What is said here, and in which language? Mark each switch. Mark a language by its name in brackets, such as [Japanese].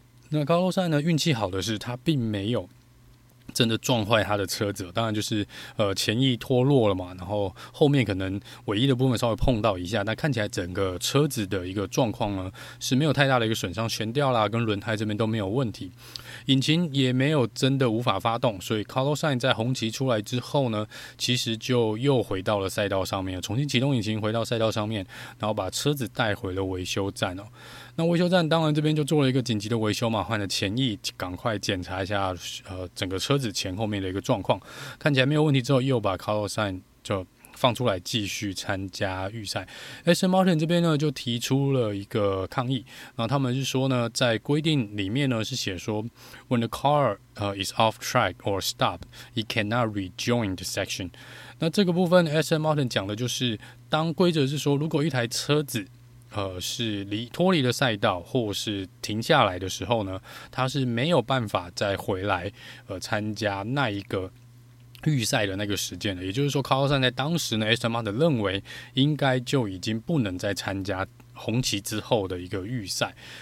[Chinese] 那 Carlos Sainz 呢，运气好的是他并没有真的撞坏他的车子，当然就是前翼脱落了嘛，然后后面可能尾翼的部分稍微碰到一下，但看起来整个车子的一个状况呢是没有太大的一个损伤，悬吊啦跟轮胎这边都没有问题，引擎也没有真的无法发动，所以 Carlos Sainz 在红旗出来之后呢，其实就又回到了赛道上面，重新启动引擎回到赛道上面，然后把车子带回了维修站哦。那维修站当然这边就做了一个紧急的维修嘛，换了前翼，赶快检查一下整个车子前后面的一个状况，看起来没有问题之后，又把 Carlos Sainz 就放出来继续参加预赛。 Aston Martin 这边呢就提出了一个抗议，那他们是说呢，在规定里面呢是写说 ， [English] When the car is off track or stopped, it cannot rejoin the section。 [Chinese] 那这个部分 Aston Martin 讲的就是，当规则是说，如果一台车子是脱离了赛道或是停下来的时候呢，他是没有办法再回来参加那一个预赛的那个时间的，也就是说 Carlos Sainz 在当时呢 Aston Martin 认为应该就已经不能再参加红旗之后的一个预赛。